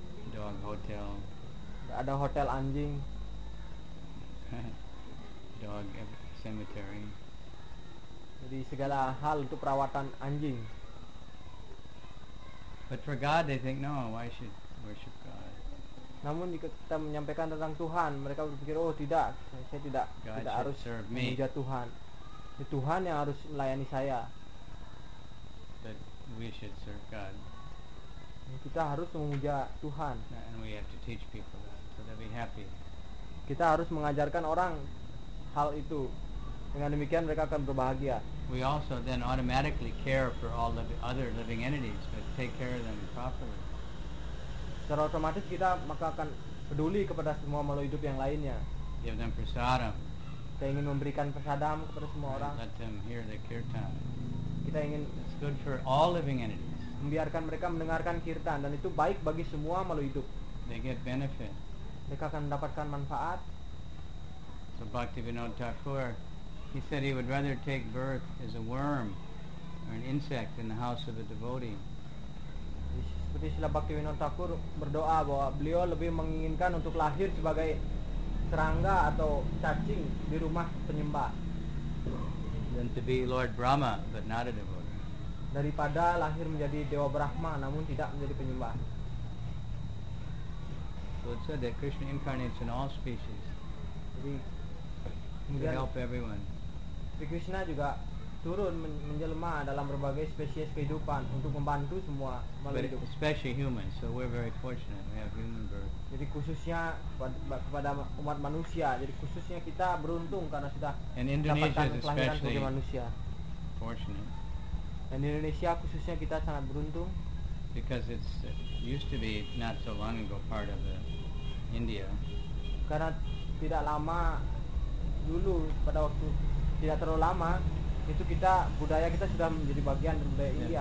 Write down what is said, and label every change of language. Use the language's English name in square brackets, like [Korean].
[English] Dog hotel. [Indonesian] Ada hotel anjing. [English] Dog cemetery. [Indonesian] Jadi segala hal untuk perawatan anjing. [English] But for God, they think no. Why should worship God? [Indonesian] Namun jika kita menyampaikan tentang Tuhan, mereka berpikir, oh tidak, saya tidak [English] God [Indonesian] tidak harus memuja Tuhan. Ya, Tuhan yang harus melayani saya. [English] But we should serve God. [Indonesian] Kita harus memuja Tuhan. [English] And we have to teach people that so they'll be happy. [Indonesian] Kita harus mengajarkan orang hal itu. Dengan demikian mereka akan berbahagia. [English] We also then automatically care for all the other living entities, but take care of them properly. [Indonesian] Secara otomatis kita maka akan peduli kepada semua makhluk hidup yang lainnya. [English] Give them prasadam. [Indonesian] Kita ingin memberikan prasadam kepada semua orang. [English] Let them hear the kirtan. [Indonesian] Kita ingin. [English] It's good for all living entities. [Indonesian] Membiarkan mereka mendengarkan kirtan dan itu baik bagi semua makhluk hidup. [English] They get benefit. [Indonesian] Mereka akan mendapatkan manfaat. [English] So Bhaktivinoda Thakur, he said he would rather take birth as a worm or an insect in the house of a devotee. [Indonesian] Seperti Srila Bhaktivinoda Thakur berdoa bahwa beliau lebih menginginkan untuk lahir sebagai serangga atau cacing di rumah penyembah. [English] Than to be Lord Brahma, but not a devotee. [Indonesian] Daripada lahir menjadi Dewa Brahma, namun tidak menjadi penyembah. [English] So it said that Krishna incarnates in all species. [Indonesian] Jadi, [English] to help everyone. [Indonesian] Sri Krishna juga turun menjelma dalam berbagai spesies kehidupan untuk membantu semua makhluk hidup. [English] Especially humans, so we're very fortunate. We have human birth. [Indonesian] Jadi khususnya kepada umat manusia. Jadi khususnya kita beruntung karena sudah mendapatkan kelahiran sebagai manusia. [English] Fortunate. [Indonesian] Dan Indonesia khususnya kita sangat beruntung. [English] Because it's used to be not so long ago part of India. [Indonesian] Karena tidak lama dulu, pada waktu tidak terlalu lama itu kita budaya kita sudah menjadi bagian dari budaya India.